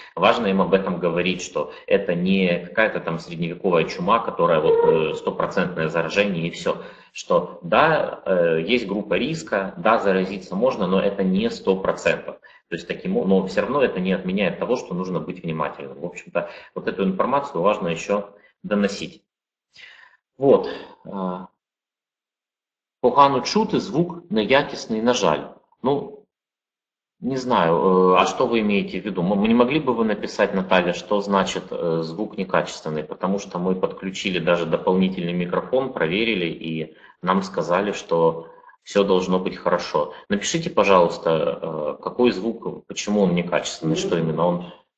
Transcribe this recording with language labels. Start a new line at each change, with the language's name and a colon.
Russian: Важно им об этом говорить, что это не какая-то там средневековая чума, которая вот 100% заражение и все. Что да, есть группа риска, да, заразиться можно, но это не 100%. То есть таким, но все равно это не отменяет того, что нужно быть внимательным. В общем-то, вот эту информацию важно еще доносить. Вот.
Ukrainian: Погано чути звук неякісний, на жаль.
Russian: Ну, не знаю, а что вы имеете в виду? Не могли бы вы написать, Наталья, что значит звук некачественный? Потому что мы подключили даже дополнительный микрофон, проверили, и нам сказали, что все должно быть хорошо. Напишите, пожалуйста, какой звук, почему он некачественный, что именно он.